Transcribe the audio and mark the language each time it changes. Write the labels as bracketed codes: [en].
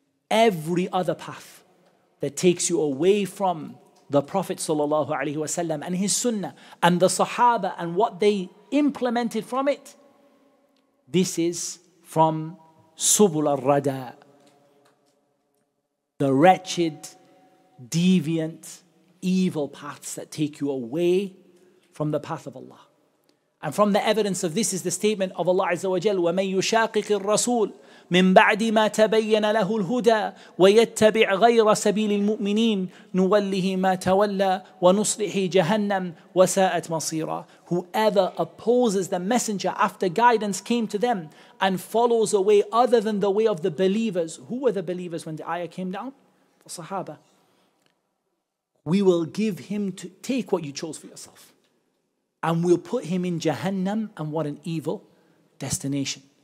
[en] Every other path that takes you away from the Prophet sallallahu alayhi wasallam and his sunnah and the Sahaba and what they implemented from it, this is from Subul al-Rada, the wretched, deviant, evil paths that take you away from the path of Allah. And from the evidence of this is the statement of Allah Azza wa Jal, [ar] وَمَنْ يُشَاقِقِ الرَّسُولِ مِنْ بَعْدِ مَا تَبَيَّنَ لَهُ الْهُدَى وَيَتَّبِعْ غَيْرَ سَبِيلِ الْمُؤْمِنِينَ نُوَلِّهِ مَا تَوَلَّى وَنُصْلِحِ جَهَنَّمْ وَسَاءَتْ مَصِيرًا. [en] Whoever opposes the messenger after guidance came to them and follows a way other than the way of the believers. Who were the believers when the ayah came down? The Sahaba. We will give him to take what you chose for yourself. And we'll put him in Jahannam, and what an evil destination.